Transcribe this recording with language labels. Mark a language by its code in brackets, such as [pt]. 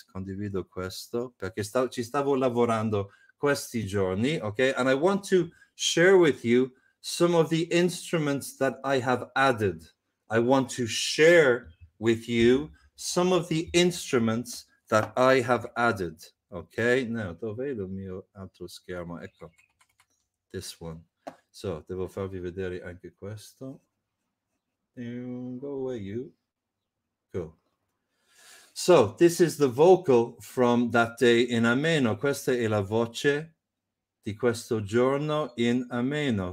[it] Condivido questo perché ci stavo lavorando questi giorni, ok? [en] And I want to share with you some of the instruments that I have added. I want to share with you some of the instruments that I have added. Okay, now, [it] dov'è il mio altro schermo? Ecco, [en] this one. [it] So, devo farvi vedere anche questo. [en] And go away, you. Cool. So, this is the vocal from that day in ameno. [it] Questa è la voce di questo giorno in ameno.